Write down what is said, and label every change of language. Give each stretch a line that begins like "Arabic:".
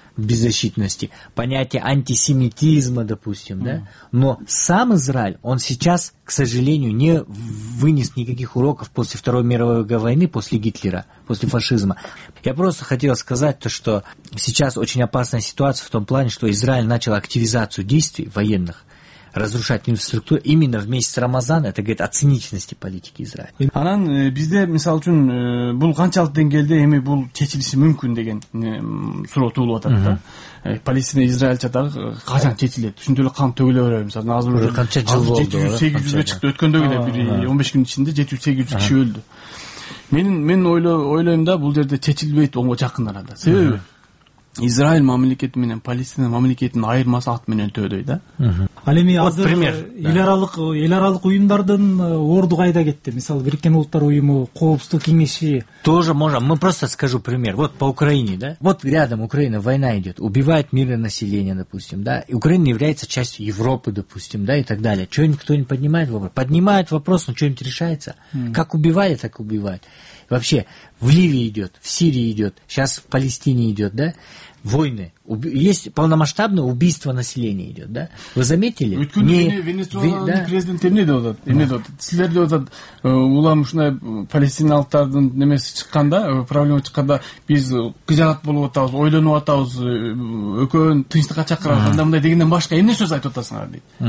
Russian: Беззащитности, понятие антисемитизма, допустим, да, но сам Израиль, он сейчас, к сожалению, не вынес никаких уроков после Второй мировой войны, после Гитлера, после фашизма. Я просто хотел сказать то, что сейчас очень опасная ситуация в том плане, что Израиль начал активизацию действий военных, разрушать инфраструктуру именно в месяц Рамазана, это говорит о циничности политики Израиля.
Kyrgyz: Анан бизде мисалы үчүн бул канчалык деңгээлде эми бул чечилиши мүмкүн деген суроо туулуп атат да. Палестина Израильча дагы качан чечилет? Ушинтип эле кан төгүлө берет. Мисалы азыр уже канча жыл болду? 700-800 чыкты өткөндөгү эле 15 күн ичинде 700-800 киши өлдү. Мен ойлойм да бул жерде чечилбейт оңго жакын арада. Себеби Израиль мамлекети менен Палестина мамлекетинин айырмасы ат менен төөдөй да. Ал эми азыр эл аралык уюмдардын орду кайда кетти? Мисалы Бириккен Улуттар Уюму, Коопсуздук Кеңеши.
Russian: Тоже можно. Мы просто скажу пример. Вот по Украине, да? Вот рядом Украина, война идет, убивает мирное население, допустим, да? Украина является частью Европы, допустим, да, и так далее. Что-нибудь кто-нибудь поднимает вопрос? Поднимает вопрос, но что-нибудь решается? Как убивали, так убивают. Вообще, в Ливии идет, в Сирии идет, сейчас в Палестине идет, да? Войны. Есть полномасштабное убийство населения идет, да? Вы заметили?
Kyrgyz: Венесуэлан президент эмне деп атат? Силер деп атат, улам ушундай палестиналыктардын немеси чыккан да, проблема чыкканда биз кыжаат болуп атабыз, ойлонуп атабыз, өкөн тынчтыкка чакырабыз, андай мындай дегенден башка эмне сөз айтып атасыңар дейт.